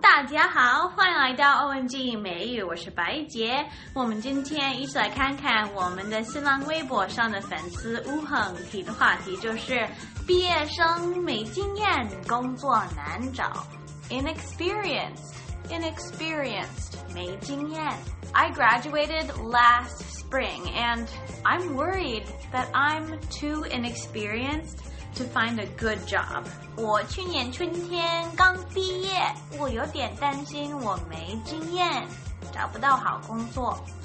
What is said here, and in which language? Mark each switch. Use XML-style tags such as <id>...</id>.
<zh>家好，欢迎来到 ONG 美语，我是白杰。我们今天一起来看看我们的新浪微博上的粉丝吴恒提的话题，就是毕业生没经验，工作难找。 Inexperienced, 没经验。</zh> <en>I graduated last spring, and I'm worried that I'm too inexperienced to find a good job.</en> <zh>我去年春天刚毕业，我有点担心我没经验，找不到好工作。</zh>